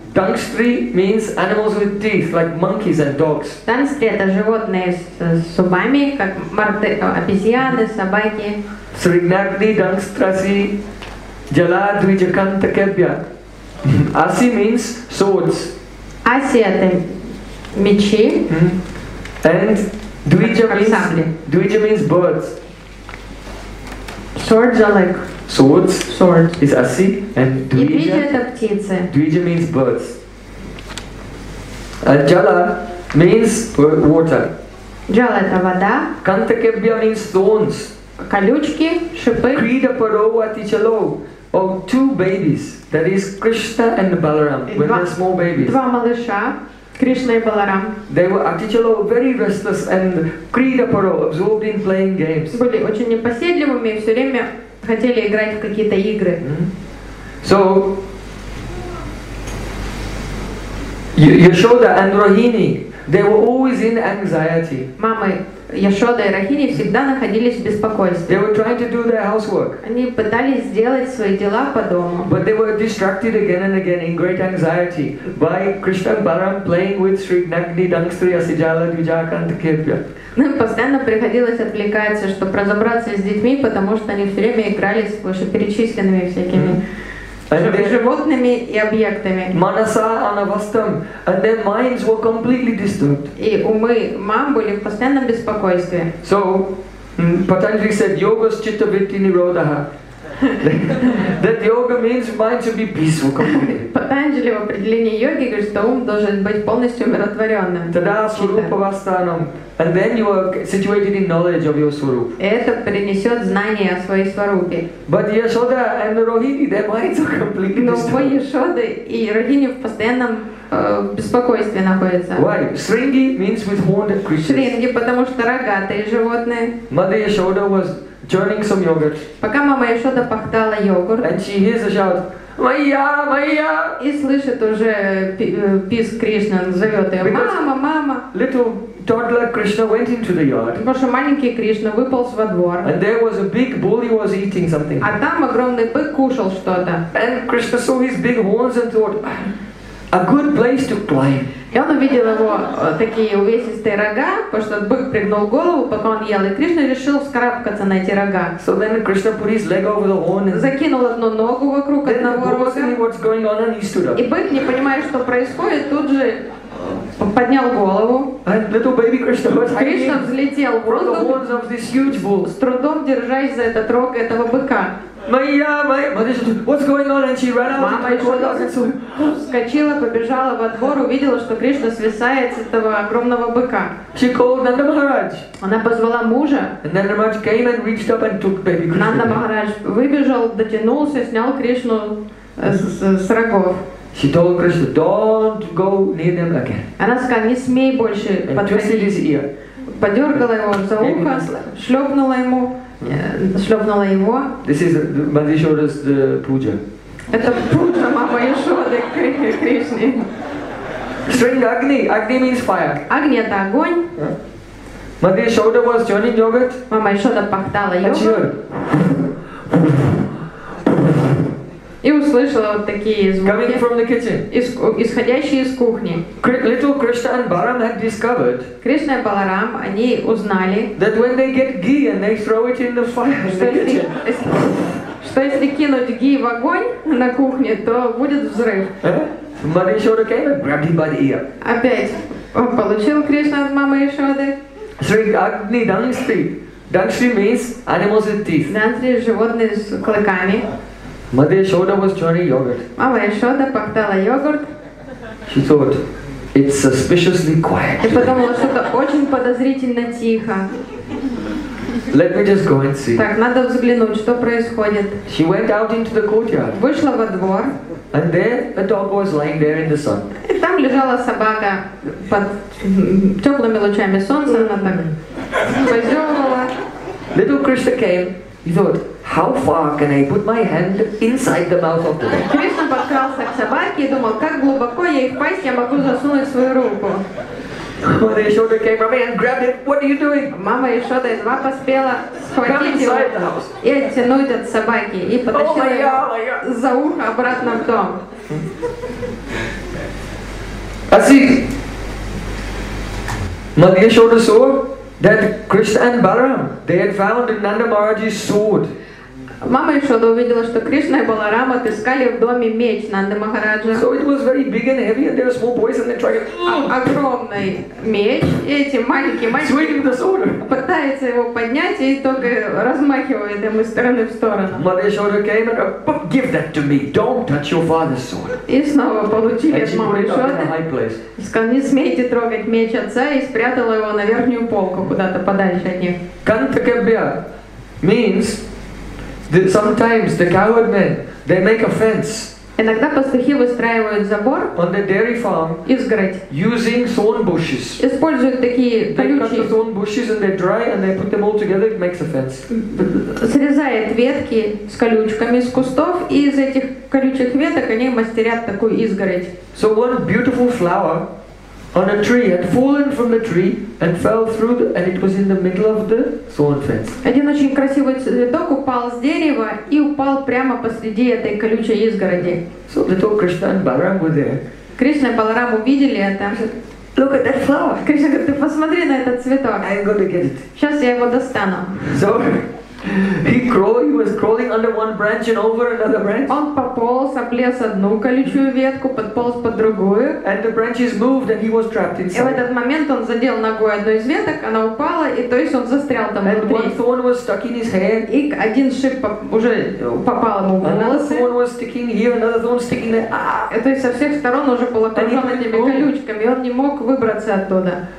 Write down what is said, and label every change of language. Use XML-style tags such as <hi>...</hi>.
<en>Dangstri means animals with teeth, like monkeys and dogs.</en> <ru>Dangstri – это животные с зубами, как обезьяны, собаки.</ru> <sa>Srignagni dangstrasi jaladvijakantakebhya.</sa> <en>Asi means swords.</en> <ru>Asi – это мечи.</ru> <en>And dvija means birds. Swords are like swords. Swords is asi and dvija.</en> <ru>И птицы.</ru> <en>Dvija means birds. Jala means water.</en> <ru>Jala это вода.</ru> <en>Kantakebhya means thorns.</en> <ru>Колючки, шипы.</ru> <sa>Krida parova tichalo.</sa> <en>Oh, two babies. That is Krishna and Balaram. When they're small babies.</en> <ru>Два малыша.</ru> <en>Krishna and Balaram. They were atichalo, very restless and krida paro, absorbed in playing games.</en> <ru>Были очень непоседливыми и все время хотели играть в какие-то игры.</ru> <en>So Yashoda and Rohini, they were always in anxiety.</en> <ru>Мамы Яшода и Рахини всегда находились в беспокойстве.</ru> <en>They were trying to do their housework.</en> <ru>Они пытались сделать свои дела по дому.</ru> <en>But they were distracted again and again in great anxiety by Krishna and Balaram playing with</en> <sa>Sri Nagni Dangstri Asijala Dvijakanta Kirpya.</sa> <ru>Ну и постоянно приходилось отвлекаться, чтобы разобраться с детьми, потому что они все время играли с вышеперечисленными всякими животными и объектами.</ru> <sa>Manasa anavastam,</sa> <en>and their minds were completely disturbed.</en> <ru>И умы мам были в постоянном беспокойстве.</ru> <en>So, Patanjali said,</en> <sa>yogas chitta vritti nirodaha.</sa> <en>That yoga means mind should be peaceful completely.</en> <ru>Patanjali в определении йоги говорит, что ум должен быть полностью умиротворенным. Тогда сурупа вастанам,</ru> <en>and then you are situated in knowledge of your swarup.</en> <ru>Это принесет знание о своей сварупе.</ru> <en>But Yashoda and Rohini, their minds are completely disturbed.</en> <ru>Но Yashoda и Rohini в постоянном беспокойстве находятся.</ru> <en>Why? Sringi means with horned creatures.</en> <ru>Sringi, потому что рогатые животные.</ru> <en>Mother Yashoda was churning some yogurt.</en> <ru>Пока мама Yashoda пахтала йогурт.</ru> <en>And she hears a shout, Майя, Майя!</en> <ru>И слышит уже писк Кришны, зовет ее, мама, мама.</ru> <en>Little toddler Krishna went into the yard.</en> <ru>Потому что маленький Кришна выполз во двор.</ru> <en>And there was a big bull, he was eating something.</en> <ru>А там огромный бык кушал что-то.</ru> <en>And Krishna saw his big horns and thought, a good place to climb.</en> <ru>И он увидел его такие увесистые рога, потому что бык пригнул голову, пока он ел, и Кришна решил вскарабкаться на эти рога.</ru> <en>So then Krishna put his leg over the horn and</en> <ru>закинул одну ногу вокруг</ru> <en>then</en> <ru>одного рога.</ru> <en>What's going on and he stood up.</en> <ru>И бык, не понимая, что происходит, тут же поднял голову.</ru> <en>And little baby Krishna was</en> <ru>Кришна взлетел воздух, с трудом держась за этот рог этого быка.</ru> <en>Майя, what's going on? And she ran out.</en> <ru>Мама Яшода вскочила, побежала во двор, увидела, что Кришна свисает с этого огромного быка.</ru> <en>She called Nanda Maharaj.</en> <ru>Она позвала мужа.</ru> <en>And Nanda Maharaj came and reached up and took baby Krishna.</en> <ru>Нанда Махарадж выбежал, дотянулся, снял Кришну с рогов.</ru> <en>She told Krishna, don't go near them again.</en> <ru>Она сказала, не смей больше подходить. Подергала его за ухо, шлепнула ему. Шлепнула его.</ru> <en>This is Mother Yashoda's puja.</en> <ru>Это пуджа мама Яшоды Кришны.</ru> <en>String Agni. Agni means fire.</en> <ru>Агни это огонь.</ru> <en>Mother Yashoda was churning yogurt.</en> <ru>Мама Яшода пахтала йогурт. И услышала вот такие звуки.</ru> <en>Coming from the kitchen.</en> <ru>Исходящие из кухни.</ru> <en>Little Krishna and Balaram had discovered.</en> <ru>Krishna и Balaram, они узнали.</ru> <en>That when they get ghee and they throw it in the fire in the kitchen.</en> <ru>Что если кинуть ghee в огонь на кухне, то будет взрыв.</ru> <en>Mother Yashoda came and grabbed him by the ear.</en> <ru>Опять он получил Krishna от мамы Яшоды.</ru> <sa>Sri Agni Dangstri.</sa> <en>Dangstri means animals with teeth.</en> <ru>Dangstri – животные с клыками.</ru> <en>Mother Yashoda was churning yogurt.</en> <ru>Мама Яшода пахтала йогурт.</ru> <en>She thought, it's suspiciously quiet.</en> <ru>И подумала, что-то очень подозрительно тихо.</ru> <en>Let me just go and see.</en> <ru>Так, надо взглянуть, что происходит.</ru> <en>She went out into the courtyard.</en> <ru>Вышла во двор.</ru> <en>And there a dog was lying there in the sun.</en> <ru>И там лежала собака под теплыми лучами солнца. Она так позевывала.</ru> <en>Little Krishna came. He thought, how far can I put my hand inside the mouth of the dog?</en> <ru>Кришна подкрался к собаке и думал, как глубоко ей в пасть я могу засунуть свою руку.</ru> <en>Mother Yashoda came from me and grabbed it. What are you doing?</en> <ru>Мама Яшода едва поспела схватить его и оттянуть от собаки и потащила его за ухо обратно в дом.</ru> <en>Mother Yashoda saw that Krishna and Balaram, they had found Nanda Maharaj's sword.</en> <ru>Мама Ишода увидела, что Кришна и Баларам отыскали в доме меч Нанды Махараджа.</ru> <en>So it was very big and heavy, and there were small boys, and they tried to...</en> <ru>Огромный меч, и эти маленькие мальчики пытаются его поднять, и только размахивает им из стороны в сторону.</ru> <en>Mother Ishoda came and said, give that to me, don't touch your father's sword.</en> <ru>И снова получили от мамы Ишоды. Сказал, не смейте трогать меч отца, и спрятала его на верхнюю полку, куда-то подальше от них.</ru> <en>Кантакабья means... Sometimes the coward men, they make a fence.</en> <ru>Иногда пастухи выстраивают забор.</ru> <en>On the dairy farm,</en> <ru>изгородь.</ru> <en>Using thorn bushes.</en> <ru>Используют такие колючие.</ru> <en>They cut the thorn bushes and they dry and they put them all together. It makes a fence.</en> <ru>Срезает ветки с колючками из кустов и из этих колючих веток они мастерят такую изгородь.</ru> <en>So one beautiful flower on a tree had fallen from the tree and fell through the, and it was in the middle of the thorn fence.</en> <ru>Один очень красивый цветок упал с дерева и упал прямо посреди этой колючей изгороди.</ru> <en>So little Krishna and Balaram were there.</en> <ru>Кришна и Баларам увидели это.</ru> <en>Look at that flower.</en> <ru>Кришна говорит, ты посмотри на этот цветок.</ru> <en>I'm going to get it.</en> <ru>Сейчас я его достану.</ru> <en>So He was crawling under one branch and over another branch.</en> <ru>Он пополз, облез одну колючую ветку, подполз под другую.</ru> <en>And the branches moved and he was trapped inside.</en> <ru>И в этот момент он задел ногой одну из веток, она упала, и то есть он застрял там</ru> <en>and</en> <ru>внутри.</ru> <en>And one thorn was stuck in his hair.</en> <ru>И один шип уже попал ему в волосы.</ru> <en>Another thorn was sticking here, another thorn sticking there.</en> <ru>И то есть со всех сторон уже было покрыто этими колючками, и он не мог выбраться оттуда.</ru>